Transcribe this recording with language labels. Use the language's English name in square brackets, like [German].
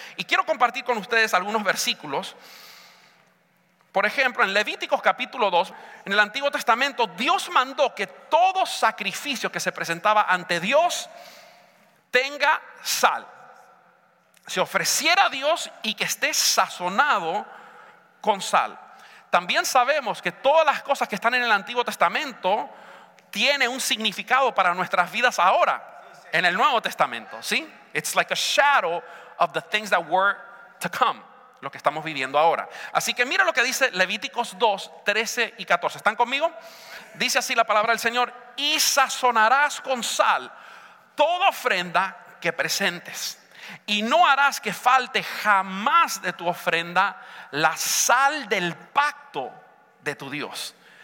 [Spanish] Y quiero compartir con ustedes algunos versículos. Por ejemplo, en Levíticos capítulo 2, en el Antiguo Testamento, Dios mandó que todo sacrificio que se presentaba ante Dios tenga sal. Se ofreciera a Dios y que esté sazonado con sal. También sabemos que todas las cosas que están en el Antiguo Testamento tienen un significado para nuestras vidas ahora, en el Nuevo Testamento, ¿sí? [English] It's like a shadow of the things that were to come, [Spanish] lo que estamos viviendo ahora. Así que mira lo que dice Levíticos 2, 13 y 14. ¿Están conmigo? Dice así la palabra del Señor: y sazonarás con sal toda ofrenda que presentes, y no harás que falte jamás de tu ofrenda la sal del pacto de tu Dios.